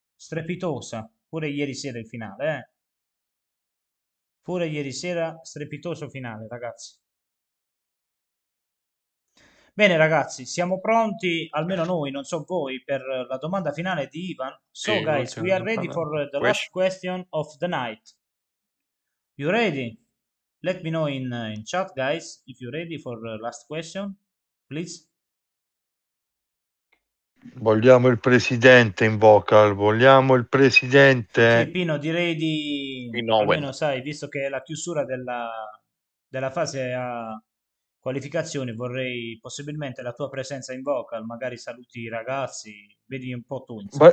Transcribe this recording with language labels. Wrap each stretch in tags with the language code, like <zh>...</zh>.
<it>Strepitosa pure ieri sera il finale, Pure ieri sera strepitoso finale, ragazzi. Bene, ragazzi, siamo pronti, almeno noi, non so voi, per la domanda finale di Ivan. So sì,</it> <en>guys, we are ready for the last question of the night. You ready? Let me know in chat, guys, if you're ready for the last question, please.</en> <it>Vogliamo il presidente in vocal, vogliamo il presidente. Sì, Pino, direi di... almeno, sai, visto che è la chiusura della fase a qualificazioni, vorrei possibilmente la tua presenza in vocal, magari saluti i ragazzi, vedi un po' tu, insomma.</it>